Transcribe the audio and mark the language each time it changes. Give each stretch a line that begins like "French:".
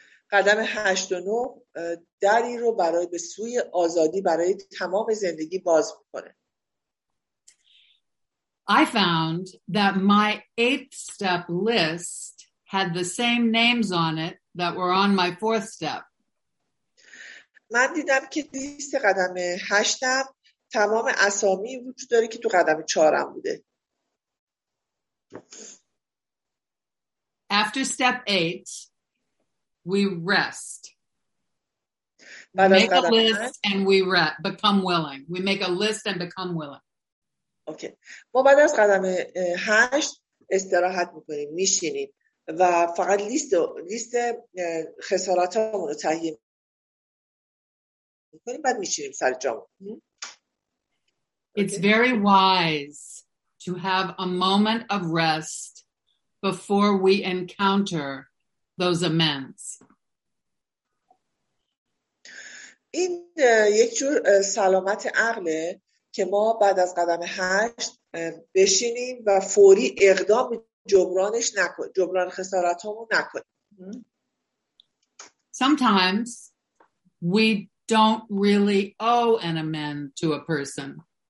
Persian: قدم 8 و 9 دری رو برای به سوی آزادی برای تمام زندگی باز می‌کنه.
English: I found that my 8th step list had the same names on it that were on my 4th step.
Persian: من دیدم که لیست قدم 8م تمام اسامی وجود داره که تو قدم 4م بوده.
English: After step 8, we rest. Make a list and we become willing. We make a list and become willing. Okay.
Persian: ما بعد از قدم 8 استراحت میکنیم، میشینیم و فقط لیست خساراتمون رو تهیه میکنیم، بعد میشینیم سر جام.
English: It's very wise to have a moment of rest before we encounter those amends.
Persian: این یک جور سلامت عقله که ما بعد از قدم 8 بشینیم و فوری اقدام جبرانش نکنیم، جبران خسارتامو نکنیم.
English: Sometimes we don't really owe an amend to a person.